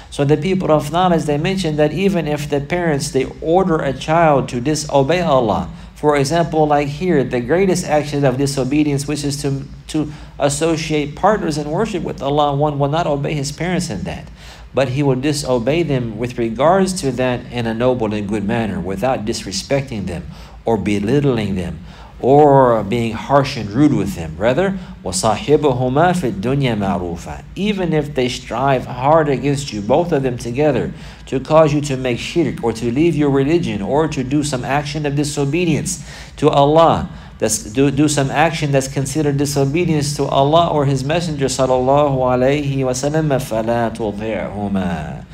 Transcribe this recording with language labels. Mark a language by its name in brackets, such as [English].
[English] So the people of knowledge, they mentioned that even if the parents, they order a child to disobey Allah, for example, like here, the greatest action of disobedience, which is to associate partners in worship with Allah, one will not obey his parents in that. But he will disobey them with regards to that in a noble and good manner, without disrespecting them or belittling them or being harsh and rude with them. [Arabic] Rather, وَصَاحِبُهُمَا فِي الدُّنْيَا مَعْرُوفًا. [English] Even if they strive hard against you, both of them together, to cause you to make shirk or to leave your religion or to do some action of disobedience to Allah, do some action that's considered disobedience to Allah or His Messenger sallallahu alayhi wa sallam, [Arabic] فَلَا تُطِعْهُمَا.